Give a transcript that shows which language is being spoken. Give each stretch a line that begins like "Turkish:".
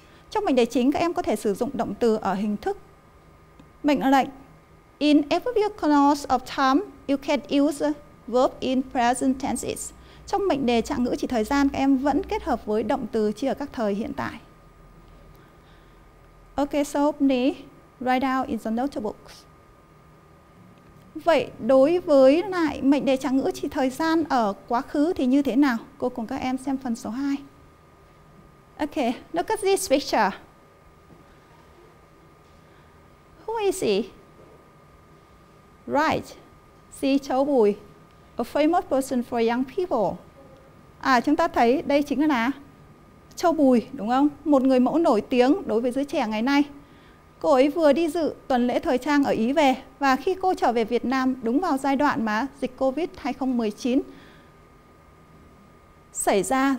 Vietnamese: Trong mệnh đề chính, các em có thể sử dụng động từ ở hình thức mệnh lệnh.
English: In adverbial clause of time, you can use verb in present tenses.
Vietnamese: Trong mệnh đề trạng ngữ chỉ thời gian, các em vẫn kết hợp với động từ chỉ ở các thời hiện tại.
English: Okay, so please write down in the notebooks.
Vietnamese: Vậy đối với lại mệnh đề trạng ngữ chỉ thời gian ở quá khứ thì như thế nào? Cô cùng các em xem phần số 2.
English: Okay, look at this picture. Who is he? Right, Si Châu Bùi, a famous person for young people.
Vietnamese: À, chúng ta thấy đây chính là Châu Bùi, đúng không? Một người mẫu nổi tiếng đối với giới trẻ ngày nay. Cô ấy vừa đi dự tuần lễ thời trang ở Ý về và khi cô trở về Việt Nam đúng vào giai đoạn mà dịch COVID-19 xảy ra.